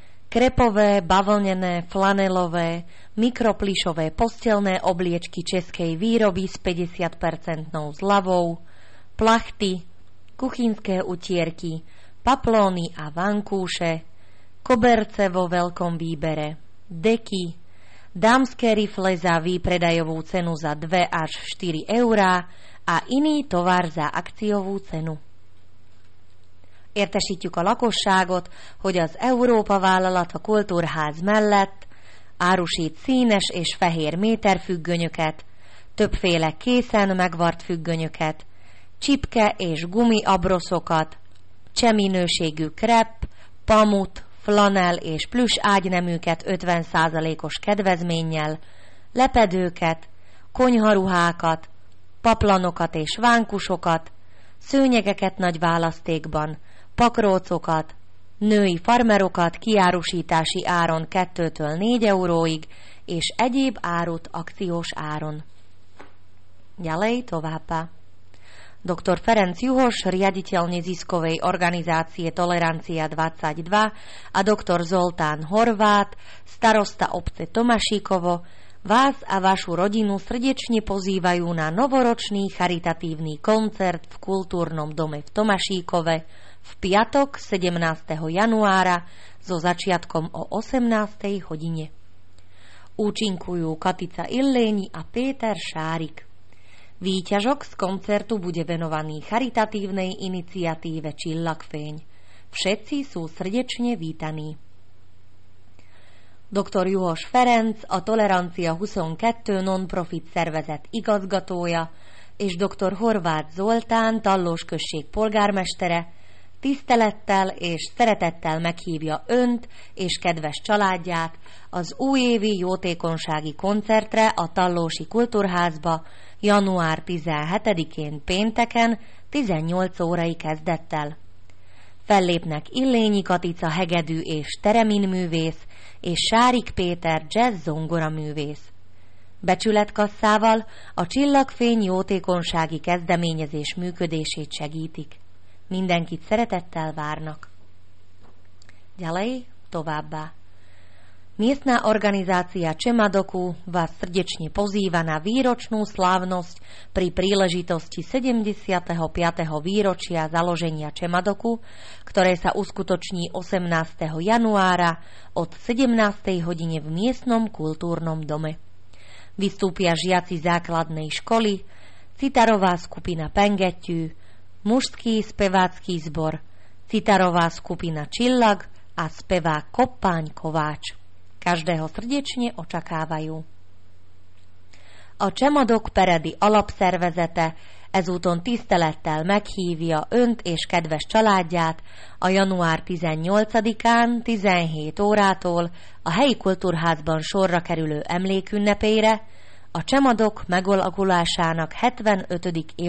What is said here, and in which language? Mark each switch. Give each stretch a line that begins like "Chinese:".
Slovak: krepové, bavlnené, flanelové, mikroplišové postelné obliečky českej výroby s 50% zľavou, plachty, kuchynské utierky, paplóny a vankúše, koberce vo veľkom výbere, deky, dámske rifle za výpredajovú cenu za 2 až 4 eurá a iný tovar za akciovú cenu.
Hungarian: Értesítjük a lakosságot, hogy az Európa Vállalat a Kultúrház mellett árusít színes és fehér méterfüggönyöket, többféle készen megvart függönyöket, csipke és gumi abroszokat, cseh minőségű krep, pamut, flanel és plüss ágyneműket 50%-os kedvezménnyel, lepedőket, konyharuhákat, paplanokat és vánkusokat, szőnyegeket nagy választékban, pakrócokat, női farmerokat kiárusítási áron 2-től 4 euróig és egyéb árut akciós áron.
Slovak: Ďalej
Hungarian: továbbá.
Slovak: Dr. Ferenc Juhos, riaditeľ neziskovej organizácie Tolerancia 22 a dr. Zoltán Horvát, starosta obce Tomašíkovo, vás a vašu rodinu srdečne pozývajú na novoročný charitatívny koncert v kultúrnom dome v Tomašíkove v piatok 17. januára so začiatkom o 18. hodine. Účinkujú Katica Illéni a Péter Šárik. Výťažok z koncertu bude venovaný charitatívnej iniciatíve Čillakfeň. Všetci sú srdečne vítaní.
Hungarian: Dr. Juhos Ferenc, a Tolerancia 22 non-profit szervezet igazgatója, és dr. Horváth Zoltán, Tallós község polgármestere, tisztelettel és szeretettel meghívja önt és kedves családját az újévi jótékonysági koncertre a Tallósi Kultúrházba január 17-én pénteken 18 órai kezdettel. Fellépnek Illényi Katica hegedű és teremin művész és Sárik Péter jazz zongora művész. Becsületkasszával a Csillagfény jótékonysági kezdeményezés működését segítik. Mindenkit szeretettel várnak.
Slovak: Ďalej
Hungarian: továbbá.
Slovak: Miestna organizácia Čemadoku vás srdečne pozýva na výročnú slávnosť pri príležitosti 75. výročia založenia Čemadoku, ktoré sa uskutoční 18. januára od 17. hodine v miestnom kultúrnom dome. Vystúpia žiaci základnej školy, citarová skupina Pengetyű, mužský spevácky zbor, citarová skupina Čillag a spevák Koppány Kováč. Každého srdečne očakávajú.
Hungarian: A Čemadok Peredi alapszervezete ezúton tisztelettel meghívja önt és kedves családját a január 18-án 17 órától a helyi kultúrházban sorra kerülő emlékünnepére, a Csemadok megalakulásának 75.